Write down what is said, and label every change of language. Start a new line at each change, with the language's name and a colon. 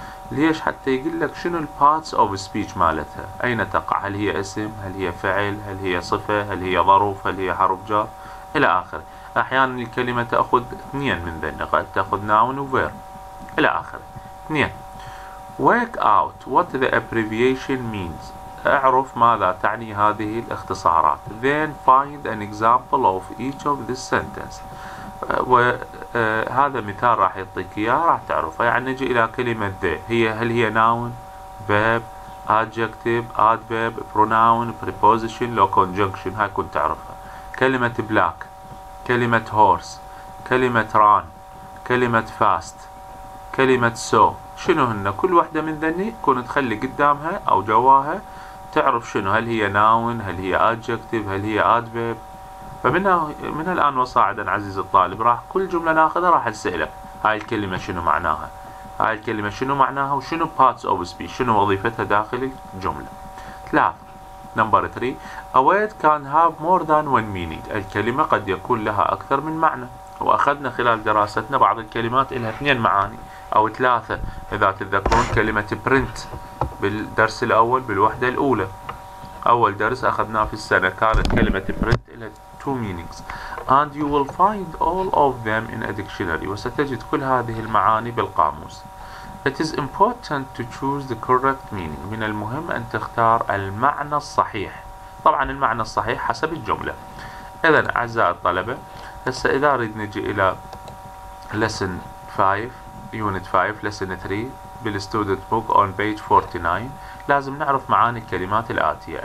Arabic: ليش؟ حتى يقول لك شنو parts of speech مالتها، أين تقع، هل هي اسم، هل هي فعل، هل هي صفة، هل هي ظرف، هل هي حرف جر إلى آخر. أحيانا الكلمة تأخذ اثنين من ذلك، تأخذ noun وverb إلى آخر.
English: اثنين: Work out what the abbreviation means.
Arabic: أعرف ماذا تعني هذه الاختصارات.
English: Then find an example of each of this sentence.
Arabic: وهذا مثال راح يعطيك إياه راح تعرفه. يعني نجي إلى كلمة the، هي هل هي noun، verb، adjective، adverb، pronoun، preposition، لو conjunction، هاي كنت تعرفها. كلمة black، كلمة horse، كلمة run، كلمة fast، كلمة so. شنو هن؟ كل واحدة من ذني كنت تخلي قدامها أو جواها تعرف شنو، هل هي noun، هل هي adjective، هل هي adverb. فمن الآن وصاعدا عزيز الطالب راح كل جملة ناخذها راح أسألك هاي الكلمة شنو معناها، هاي الكلمة شنو معناها، وشنو parts of speech، شنو وظيفتها داخل الجملة. ثلاث:
English: Number 3 await can have more than one meaning.
Arabic: الكلمة قد يكون لها أكثر من معنى. وأخذنا خلال دراستنا بعض الكلمات لها اثنين معاني أو ثلاثة إذا تتذكرون كلمة print بالدرس الأول بالوحدة الأولى. أول درس أخذناه في السنة كانت كلمة print لها two meanings.
English: And you will find all of them in a dictionary.
Arabic: وستجد كل هذه المعاني بالقاموس.
English: It is important to choose the correct meaning.
Arabic: من المهم أن تختار المعنى الصحيح. طبعا المعنى الصحيح حسب الجملة. إذن أعزائي الطلبة هسه إذا أريد نجي إلى lesson 5 unit 5 lesson 3 بال student book on page 49 لازم نعرف معاني الكلمات الآتية.